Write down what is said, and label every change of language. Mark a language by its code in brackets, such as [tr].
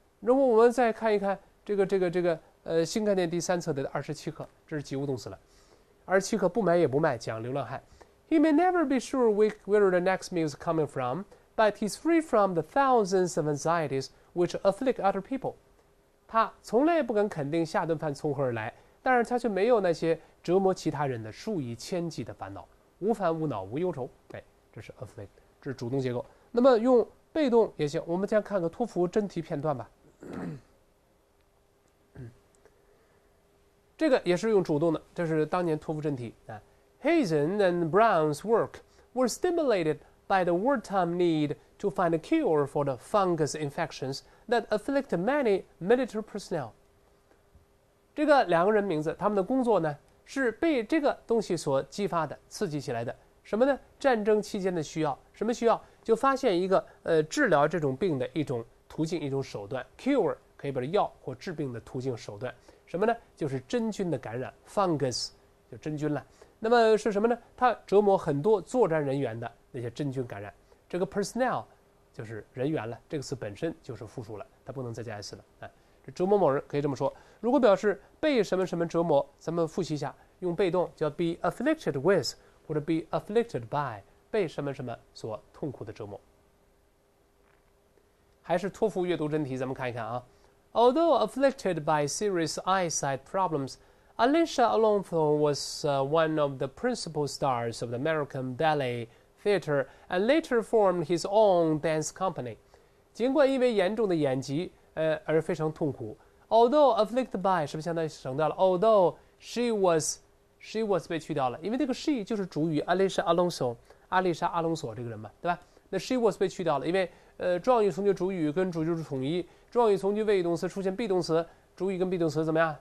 [zh] 如果我们再看一看新概念第三册的27课，这是及物动词了。 27课不买也不卖，讲流浪汉。 [en] He may never be sure where the next meal is coming from, but he's free from the thousands of anxieties which afflict other people. [zh] 他从来不敢肯定下顿饭从何而来，但是他却没有那些折磨其他人的数以千计的烦恼，无烦无恼无忧愁。哎，这是 afflict， 这是主动结构。那么用被动也行，我们先看个托福真题片段吧。这个也是用主动的，这是当年托福真题。 [en] Hazen and Brown's work were stimulated by the wartime need to find a cure for the fungus infections that afflict many military personnel. [zh] 这个两个人名字，他们的工作呢，是被这个东西所激发的，刺激起来的。什么呢？战争期间的需要，什么需要？就发现一个治疗这种病的一种途径，一种手段 ，cure 可以把它药或治病的途径手段，什么呢？就是真菌的感染 ，fungus 就真菌了。那么是什么呢？它折磨很多作战人员的那些真菌感染。这个 personnel 就是人员了，这个词本身就是复数了，它不能再加 s 了。哎，这折磨某人可以这么说。如果表示被什么什么折磨，咱们复习一下，用被动叫 be afflicted with 或者 be afflicted by。被什么什么所痛苦的折磨。还是托福阅读真题，咱们看一看啊。 [en] Although afflicted by serious eyesight problems, Alicia Alonso was one of the principal stars of the American Ballet Theater and later formed his own dance company. [zh] 尽管因为严重的眼疾而非常痛苦。 [en] Although afflicted by [zh] 是不是相当于省掉了 ？ [en] Although she was [zh] 被去掉了，因为那个 she 就是主语 Alicia Alonso。阿丽莎·阿隆索这个人嘛，对吧？那 she was 被去掉了，因为状语从句主语跟主句是统一，状语从句谓语动词出现 be 动词，主语跟 be 动词怎么样？